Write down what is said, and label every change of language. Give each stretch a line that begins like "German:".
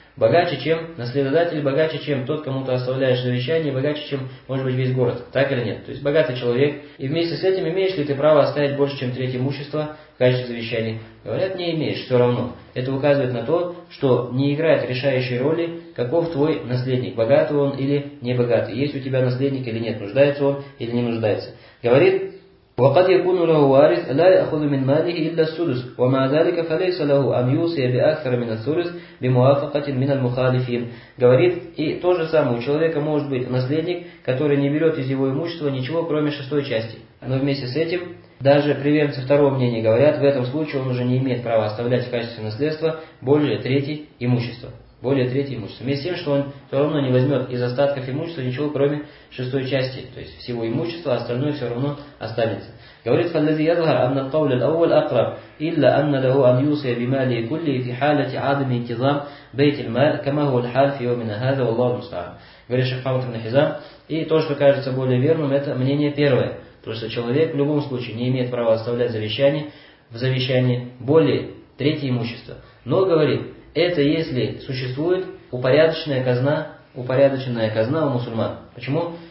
Russian: богаче, чем наследодатель, богаче, чем тот, кому ты оставляешь завещание, богаче, чем, может быть, весь город, так или нет? То есть богатый человек, и вместе с этим имеешь ли ты право оставить больше, чем треть имущества в качестве завещания? Говорят, не имеешь, все равно. Это указывает на то, что не играет решающей роли, каков твой наследник, богатый он или не богатый, есть у тебя наследник или нет, нуждается он или не нуждается. Говорит,
Arabic: وقد يكون له وارث لا يأخذ من ماله إلا السدس ومع ذلك فليس له أن يوصي بأكثر من السدس بموافقة من المخالفين.
Russian: Говорит, и то же самое, у человека может быть наследник, который не берет из его имущества ничего, кроме шестой части. Но вместе с этим, даже приверженцы второго мнения говорят, в этом случае он уже не имеет права оставлять в качестве наследства более трети имущества. Более трети имущества. Вместе с тем, что он все равно не возьмет из остатков имущества ничего, кроме шестой части, то есть всего имущества, остальное все равно останется. Говорит
Arabic: فالذي يظهر أن القول الأول أقرب إلا أن له أن يوصي بماله كله في حالة عدم انتظام بيت المال كما هو الحال في يومنا هذا والله المستعان.
Russian: Говорит шейх Мухаммад ибн Хизам, и то, что кажется более верным, это мнение первое. То, что человек в любом случае не имеет права оставлять завещание в завещании более трети имущества. Но, говорит, это если существует упорядоченная казна у мусульман. Почему?